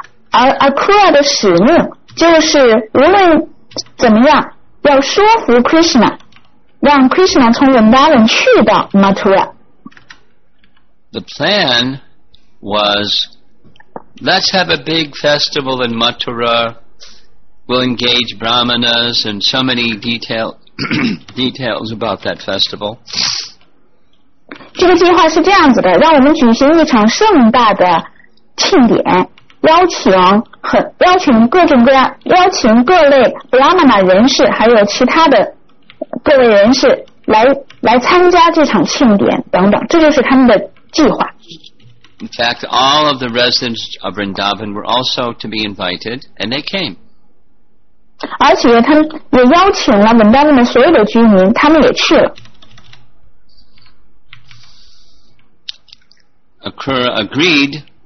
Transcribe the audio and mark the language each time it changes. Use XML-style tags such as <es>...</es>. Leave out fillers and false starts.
<zh>而 Akura 的使命就是无论怎么样要说服 Krishna 让 Krishna 从 Vrindavan 去到 Mathura.</zh> <en>The plan was, let's have a big festival in Mathura, we'll engage brahmanas and so many details about that festival.</en> <zh>这个计划是这样子的，让我们举行一场盛大的庆典，邀请各类布拉玛那人士，还有其他的各位人士来参加这场庆典等等，这就是他们的计划。</zh> <en>In fact, all of the residents of Vrindavan were also to be invited, and they came.</en> <zh>而且他们也邀请了 Vrindavan 的所有的居民，他们也去了。</zh> <en>Akura agreed.</en>